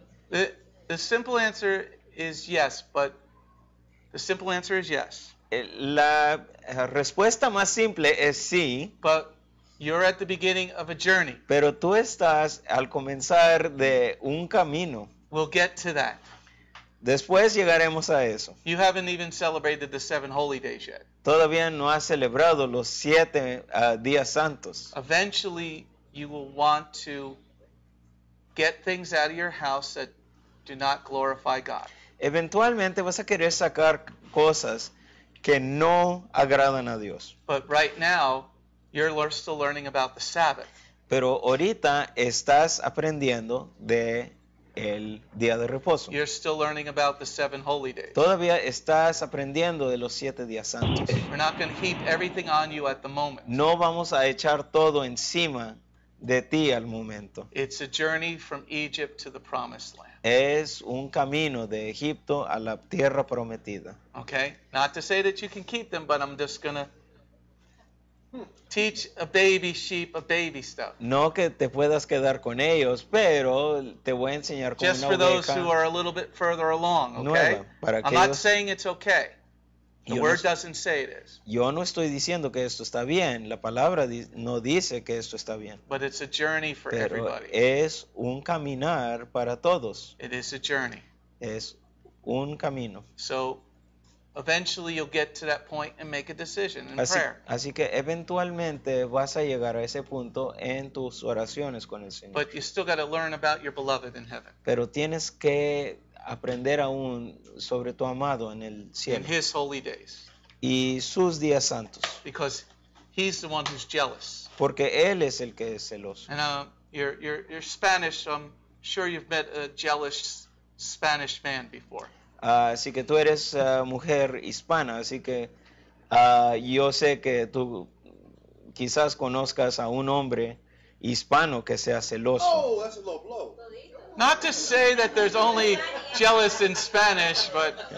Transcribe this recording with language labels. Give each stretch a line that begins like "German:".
English: The simple answer is yes, but the simple answer is yes.
Spanish: La respuesta más simple es sí.
English: But you're at the beginning of a journey.
Spanish: Pero tú estás al comenzar de un camino.
English: We'll get to that.
Spanish: Después llegaremos a eso.
English: You haven't even celebrated the 7 holy days yet.
Spanish: Todavía no has celebrado los 7 días santos.
English: Eventually, you will want to get things out of your house that do not glorify God.
Spanish: Eventualmente vas a querer sacar cosas que no agradan a Dios.
English: But right now, you're still learning about the Sabbath.
Spanish: Pero ahorita estás aprendiendo de el día de reposo.
English: You're still learning about the 7 holy days.
Spanish: Todavía estás aprendiendo de los 7 días santos.
English: We're not going to heap everything on you at the moment.
Spanish: No vamos a echar todo encima de ti al momento.
English: It's a journey from Egypt to the promised land.
Spanish: Es un camino de Egipto a la tierra prometida.
English: Okay, not to say that you can keep them, but I'm just going to teach a baby sheep a baby stuff.
Spanish: No que te puedas quedar con ellos, pero te voy a enseñar con una oveja.
English: Just for those who are a little bit further along, okay? I'm not saying it's okay. The word doesn't say it is.
Spanish: Yo no estoy diciendo que esto está bien. La palabra no dice que esto está bien.
English: But it's a journey for
Spanish: pero
English: everybody.
Spanish: Es un caminar para todos.
English: It is a journey.
Spanish: Es un camino.
English: So eventually you'll get to that point and make a decision in prayer.
Spanish: Así que eventualmente vas a llegar a ese punto en tus oraciones con el Señor.
English: But you still got to learn about your beloved in heaven.
Spanish: Pero tienes que aprender aún sobre tu amado en el cielo.
English: In his holy days.
Spanish: Y sus días santos.
English: Because He's the one who's jealous.
Spanish: Porque él es el que es celoso.
English: And you're Spanish, so I'm sure you've met a jealous Spanish man before.
Spanish: Así que tú eres mujer hispana, así que yo sé que tú quizás conozcas a un hombre hispano que sea celoso.
English: Oh, that's a low blow. Not to say that there's only jealous in Spanish, but